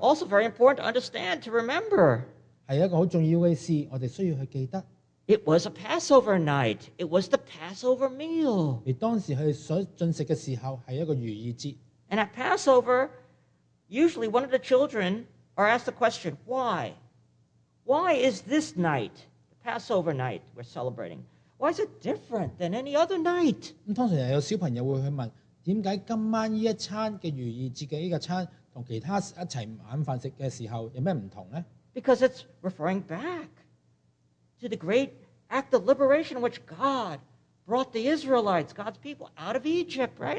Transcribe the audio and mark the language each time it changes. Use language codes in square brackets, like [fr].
[en] That's also very important to understand, to remember. [zh] 是一个很重要的事, 我们需要去记得。 [en] It was a Passover night. It was the Passover meal. [zh] 而当时他所进食的时候是一个逾越节。 [en] And at Passover, usually one of the children are asked the question, why? Why is this night, the Passover night we're celebrating? Why is it different than any other night? [zh] 通常有小朋友会去问,为什么今晚这一餐的逾越节这个餐,跟其他一起晚饭吃的时候,有什么不同呢? [en] Because it's referring back to the great act of liberation which God brought the Israelites, God's people, out of Egypt, right?